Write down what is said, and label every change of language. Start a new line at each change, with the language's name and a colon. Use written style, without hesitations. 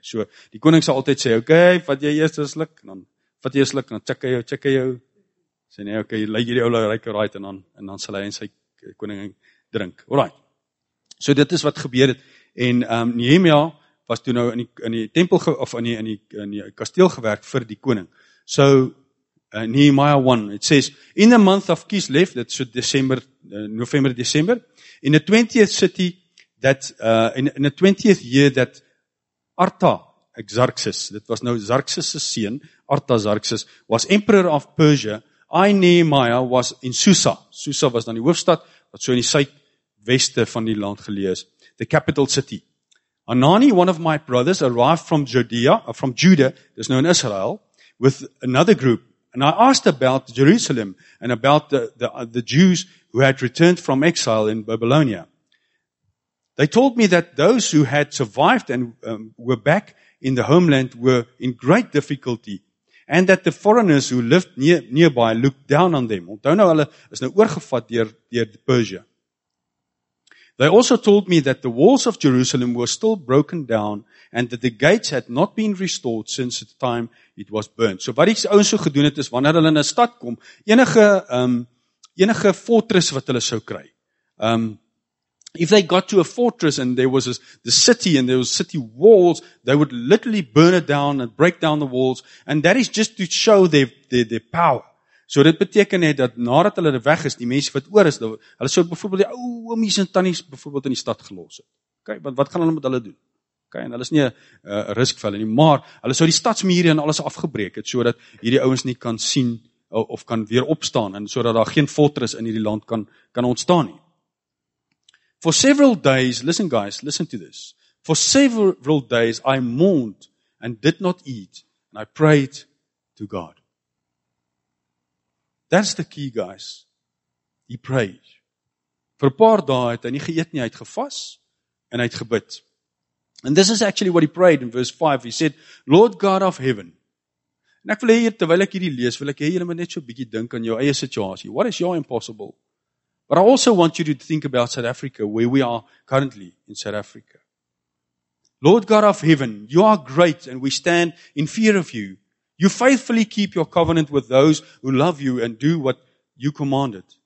Afrikaans: So die koning sal altyd sê, "Okay, vat jy eers 'n sluk en dan vat jy 'n sluk en dan check jy jou." Sê nee, okay, lei hierdie ou ryk right en dan sal hy en sy koning drink. Alright. So dit is wat gebeur het en Nehemia was toe nou in die tempel of in die kasteel gewerk vir die koning. So
English: Nehemiah 1, it says, in the month of Kislev, that's December, November, December, in the 20th city, that in the 20th year that Artaxerxes, that was now Xerxes' son, Artaxerxes, was emperor of Persia, I, Nehemiah, was in Susa.
Afrikaans: Susa was dan die hoofstad, wat so in die suidweste van die land geleë is,
English: the capital city. Hanani, one of my brothers, arrived from Judea, from Judah, that's now in Israel, with another group. And I asked about Jerusalem and about the Jews who had returned from exile in Babylonia. They told me that those who had survived and were back in the homeland were in great difficulty, and that the foreigners who lived nearby looked down on them.
Afrikaans: Onthou nou, hulle is nou oorgevat deur Persia.
English: They also told me that the walls of Jerusalem were still broken down and that the gates had not been restored since the time it was burnt.
Afrikaans: So wat die ouens so gedoen het is wanneer hulle in 'n stad kom, enige fortress wat hulle sou kry.
English: If they got to a fortress and there was the city and there was city walls, they would literally burn it down and break down the walls, and that is just to show their power.
Afrikaans: So dit beteken net dat nadat hulle weg is, die mense wat oor is, hulle sou byvoorbeeld die ou oomies en tannies byvoorbeeld in die stad gelos het. Okay, want wat gaan hulle met hulle doen? Okay, en hulle is nie 'n risikovelle nie, maar hulle sou die stadsmure en alles afgebreek het sodat hierdie ouens nie kan sien of kan weer opstaan en sodat daar geen fortress in hierdie land kan ontstaan nie.
English: For several days, listen guys, listen to this. For several days I mourned and did not eat and I prayed to God. That's the key, guys. He prayed.
Afrikaans: Vir 'n paar dae het hy nie geëet nie, hy het gevas en hy het gebid.
English: And this is actually what he prayed in verse 5. He said, Lord God of heaven.
Afrikaans: En ek wil hê terwyl ek hierdie lees, wil ek hê julle moet net so 'n bietjie dink aan jou eie situasie.
English: What is your impossible? But I also want you to think about South Africa, where we are currently in South Africa. Lord God of heaven, you are great and we stand in fear of you. You faithfully keep your covenant with those who love you and do what you commanded.